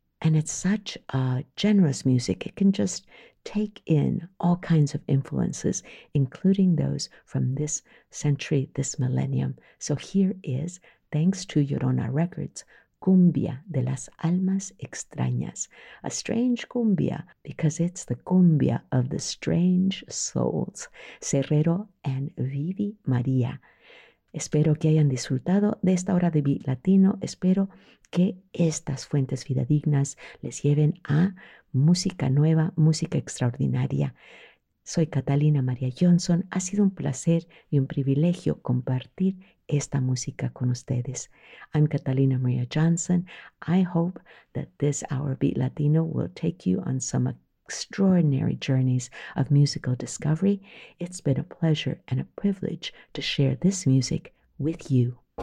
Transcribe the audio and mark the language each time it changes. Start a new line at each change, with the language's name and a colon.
English: And it's such a generous music. It can just take in all kinds of influences, including those from this century, this millennium. So here is, thanks to Llorona Records, Cumbia de las Almas Extrañas. A strange cumbia, because it's the cumbia of the strange souls. Cerrero and Vivi María.
Spanish: Espero que hayan disfrutado de esta hora de Beat Latino. Espero que estas fuentes fidedignas les lleven a música nueva, música extraordinaria. Soy Catalina María Johnson. Ha sido un placer y un privilegio compartir esta música con ustedes.
English: I'm Catalina María Johnson. I hope that this hour Beat Latino will take you on some extraordinary journeys of musical discovery. It's been a pleasure and a privilege to share this music with you.